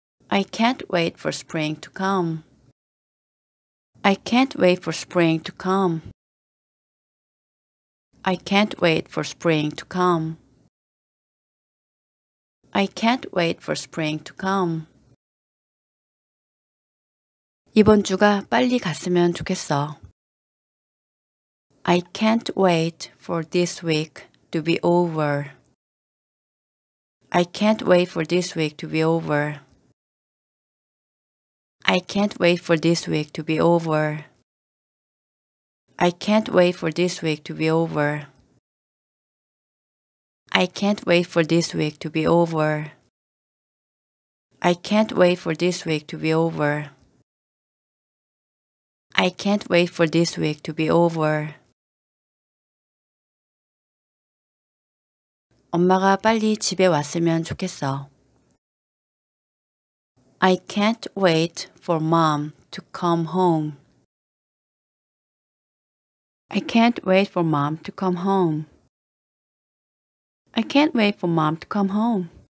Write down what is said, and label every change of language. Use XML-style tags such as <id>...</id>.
<en>I can't wait for spring to come. I can't wait for spring to come. I can't wait for spring to come. I can't wait for spring to come.</en> <ko>이번 주가 빨리 갔으면 좋겠어.</ko> <en>I can't wait for this week to be over. I can't wait for this week to be over. I can't wait for this week to be over. I can't wait for this week to be over. I can't wait for this week to be over. I can't wait for this week to be over. I can't wait for this week to be over.</en> <ko>엄마가 빨리 집에 왔으면 좋겠어.</ko> <en>I can't wait for mom to come home. I can't wait for mom to come home. I can't wait for mom to come home.</en>